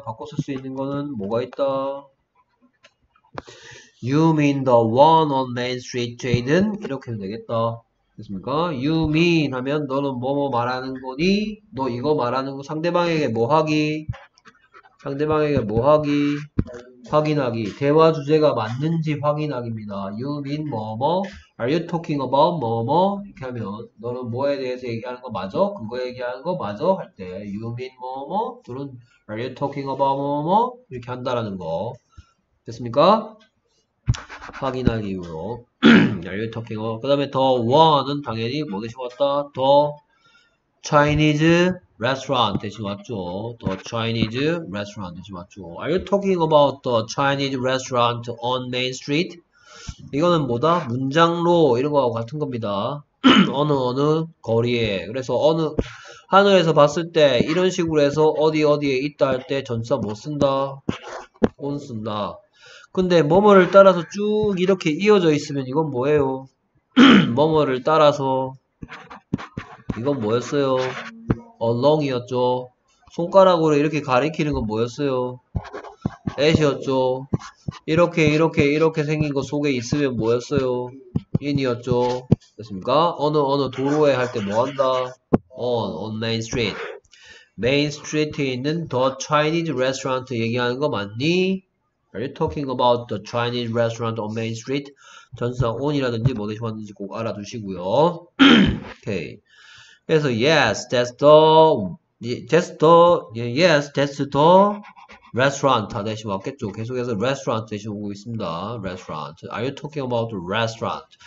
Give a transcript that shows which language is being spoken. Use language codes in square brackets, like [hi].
[ko] 바꿔 쓸수 있는 거는 뭐가 있다? [en] You mean the one on Main Street, Jaden? [ko] 이렇게 해도 되겠다. 됐습니까? [en] You mean [ko] 하면 너는 뭐뭐 말하는 거니? 너 이거 말하는 거 상대방에게 뭐 하기? 상대방에게 뭐 하기? 확인하기. 대화 주제가 맞는지 확인하기입니다. You mean 뭐뭐? [en] Are you talking about [ko] 뭐뭐? 이렇게 하면 너는 뭐에 대해서 얘기하는 거 맞어? 그거 얘기하는 거 맞어? 할 때, [en] You mean [ko] 뭐뭐? 또는 [en] Are you talking about [ko] 뭐뭐? 이렇게 한다라는 거. 됐습니까? 확인하기 이후로 [en] Are you talking about? [ko] 그 다음에 the one은 당연히 뭐 대신 왔다? The Chinese restaurant 대신 왔죠. The Chinese restaurant 대신 왔죠. [en] Are you talking about the Chinese restaurant on Main Street? [ko] 이거는 뭐다? 문장로 이런 거하고 같은 겁니다. 어느 거리에. 그래서 어느 하늘에서 봤을 때 이런 식으로 해서 어디 어디에 있다 할때 전치사 뭐 쓴다? on 쓴다. 근데 뭐뭐를 따라서 쭉 이렇게 이어져 있으면 이건 뭐예요? 뭐뭐를 따라서 이건 뭐였어요? along이었죠. 손가락으로 이렇게 가리키는 건 뭐였어요? at이었죠. 이렇게 생긴 거 속에 있으면 뭐였어요? in이었죠. 됐습니까? 어느 도로에 할때뭐 한다? on main street. main street에 있는 the Chinese restaurant 얘기하는 거 맞니? [en] Are you talking about the Chinese restaurant on Main Street? [ko] 전치사 on이라든지 뭐 대신 왔는지 꼭 알아두시고요. 오케이. 그래서 [en] yes, that's the restaurant [ko] 대신 왔겠죠. 계속해서 restaurant 대신 오고 있습니다. [en] Restaurant. Are you talking about the restaurant?